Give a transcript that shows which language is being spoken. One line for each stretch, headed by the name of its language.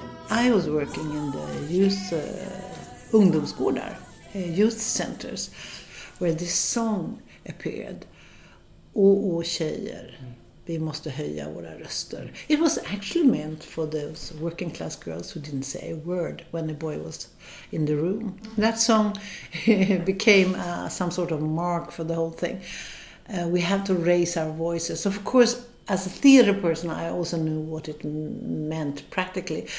English: I was working in the youth ungdomsgårdar, youth centers, where this song appeared.
Swedish: Å, tjejer, vi måste höja våra röster.
English: It was actually meant for those working class girls who didn't say a word when the boy was in the room. That song became some sort of mark for the whole thing. We have to raise our voices. Of course, as a theater person, I also knew what it meant practically.